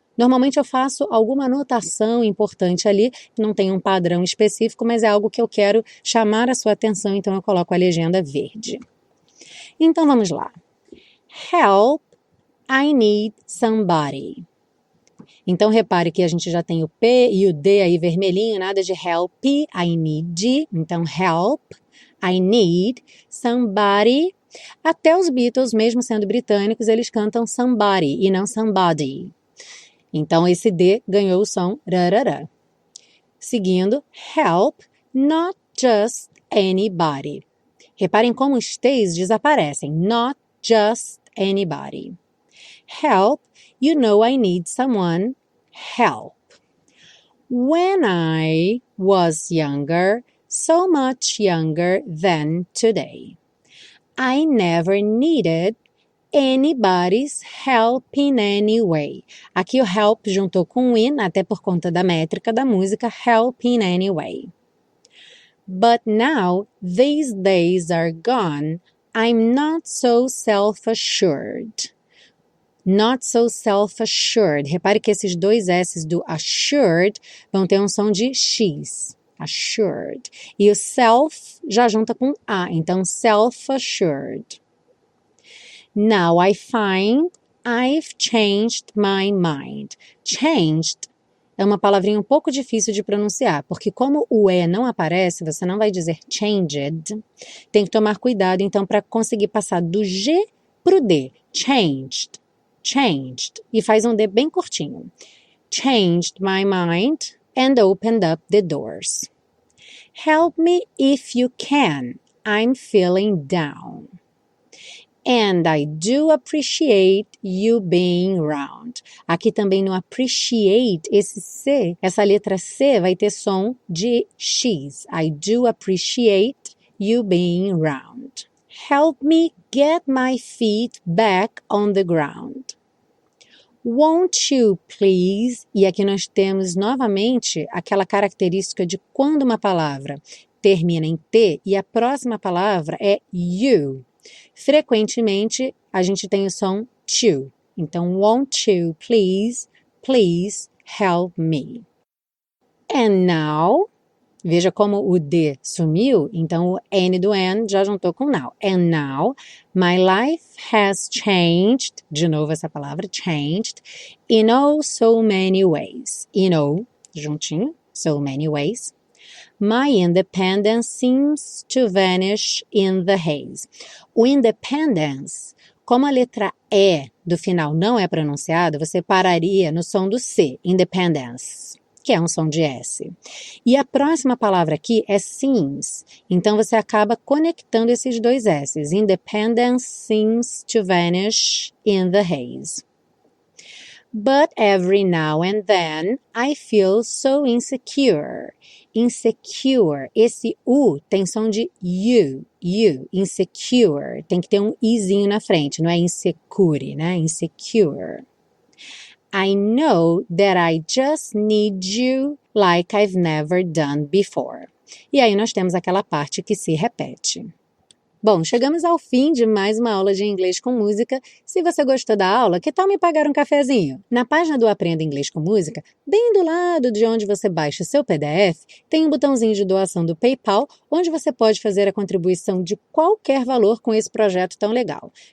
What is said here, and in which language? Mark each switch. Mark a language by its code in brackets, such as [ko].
[pt] Normalmente eu faço alguma anotação importante ali, não tem um padrão específico, mas é algo que eu quero chamar a sua atenção, então eu coloco a legenda verde. Então vamos lá. [en] Help, I need somebody. [pt] Então repare que a gente já tem o P e o D aí vermelhinho, nada de [en] help, I need. Então help, I need somebody. [pt] Até os Beatles, mesmo sendo britânicos, eles cantam somebody e não somebody. Então esse D ganhou o som rarara. [en] Seguindo, help, not just anybody. [pt] Reparem como os T's desaparecem. [en] Not just anybody. Help, you know I need someone. Help. When I was younger, so much younger than today. I never needed anybody's helping anyway. [pt] Aqui o help juntou com in, até por conta da métrica da música, [en] helping anyway. But now these days are gone, I'm not so self-assured. Not so self-assured. [pt] Repare que esses dois S's do assured vão ter um som de X. Assured. E o self já junta com a, então self-assured. [en] Now I find I've changed my mind. [pt] Changed é uma palavrinha um pouco difícil de pronunciar, porque como o E não aparece, você não vai dizer changed. Tem que tomar cuidado, então, para conseguir passar do G pro D. Changed. Changed. E faz um D bem curtinho. [en] Changed my mind and opened up the doors. Help me if you can. I'm feeling down. And I do appreciate you being around. [pt] Aqui também no appreciate, esse C, essa letra C vai ter som de X. [en] I do appreciate you being around. Help me get my feet back on the ground. Won't you please? [pt] E aqui nós temos novamente aquela característica de quando uma palavra termina em T e a próxima palavra é you. Frequentemente a gente tem o som to. [en] Então, won't you please, please help me? And now, [pt] Veja como o de sumiu, então o N do and já juntou com now. [en] And now my life has changed, [pt] de novo essa palavra, [en] changed, in oh so many ways. In oh, juntinho, so many ways. My independence seems to vanish in the haze. [pt] O independence, como a letra E do final não é pronunciada, você pararia no som do C, independence. Que é um som de S. E a próxima palavra aqui é seems. Então você acaba conectando esses dois S's. [en] Independence seems to vanish in the haze. But every now and then I feel so insecure. [pt] Insecure. Esse U tem som de U. U. [en] Insecure. [pt] Tem que ter um Izinho na frente, não é insecure, né? [en] Insecure. I know that I just need you like I've never done before. [pt] E aí nós temos aquela parte que se repete. Bom, chegamos ao fim de mais uma aula de inglês com música. Se você gostou da aula, que tal me pagar um cafezinho? Na página do Aprenda Inglês com Música, bem do lado de onde você baixa o seu PDF, tem um botãozinho de doação do PayPal, onde você pode fazer a contribuição de qualquer valor com esse projeto tão legal.